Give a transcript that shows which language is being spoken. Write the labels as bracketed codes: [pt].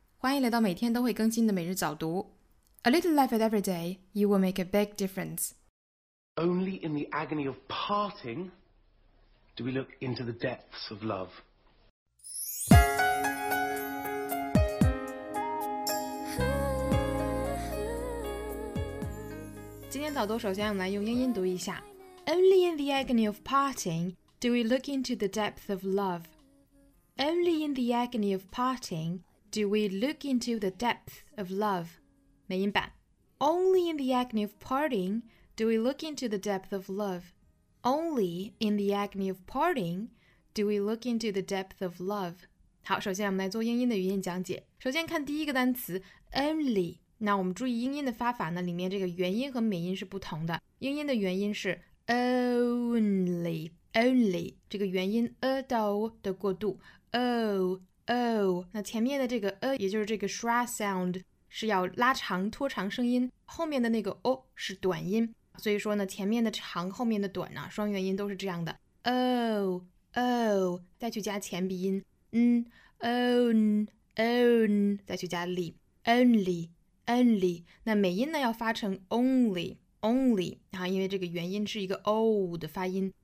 [zh] 欢迎来到每天都会更新的每日早读。 [en] A little effort every day, you will make a big difference. Only in the agony of parting do we look into the depths of love. Only in the agony of parting do we look into the depth of love. Only in the agony of parting do we look into the depth of love. [zh] 美音版 [en] Only in the agony of parting do we look into the depth of love. Only in the agony of parting do we look into the depth of love. [zh] 好，首先我们来做英音的语音讲解。首先看第一个单词 only。那我们注意英音的发法呢，里面这个元音和美音是不同的。英音的元音是 only。 Only 这个元音 a 到 o 的过渡 o 那前面的这个 a 也就是这个 schwa sound 是要拉长拖长声音，后面的那个 o 是短音，所以说呢前面的长后面的短啊，双元音都是这样的 o 再去加前鼻音 on 再去加力 only 那美音呢要发成 only 啊，因为这个元音是一个 o 的发音。